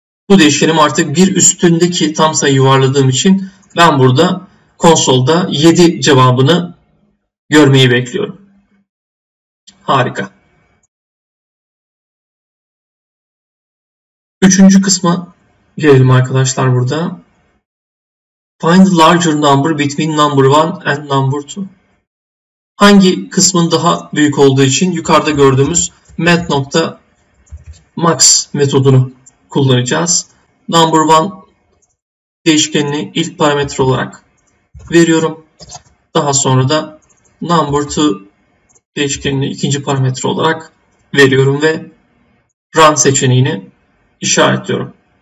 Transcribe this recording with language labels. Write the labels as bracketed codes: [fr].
[tr] Bu değişkenim artık bir üstündeki tam sayı yuvarladığım için ben burada konsolda 7 cevabını görmeyi bekliyorum. Harika. Üçüncü kısma gelelim arkadaşlar burada. [en] Find larger number between number 1 and number 2. [tr] Hangi kısmın daha büyük olduğu için yukarıda gördüğümüz mat.max metodunu kullanacağız. Number 1 değişkenini ilk parametre olarak veriyorum. Daha sonra da number 2 değişkenini ikinci parametre olarak veriyorum ve run seçeneğini işaretliyorum.